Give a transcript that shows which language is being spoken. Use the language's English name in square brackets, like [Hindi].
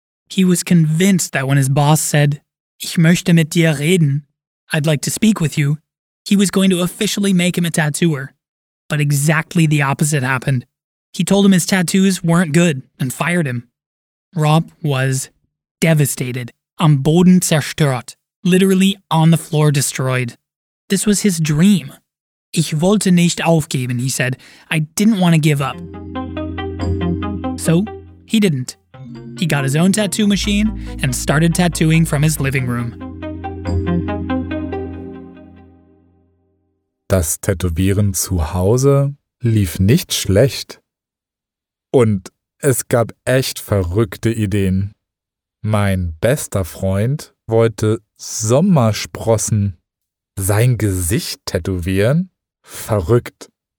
[English] He was convinced that when his boss said, [German] Ich möchte mit dir reden, [English] I'd like to speak with you, he was going to officially make him a tattooer. But exactly the opposite happened. He told him his tattoos weren't good and fired him. Rob was devastated, [German] am Boden zerstört, [English] literally on the floor destroyed. This was his dream. [German] Ich wollte nicht aufgeben, [English] he said. I didn't want to give up. So, he didn't. He got his own tattoo machine and started tattooing from his living room. [German] Das Tätowieren zu Hause lief nicht schlecht. Und es gab echt verrückte Ideen. Mein bester Freund wollte Sommersprossen sein Gesicht tätowieren? Verrückt.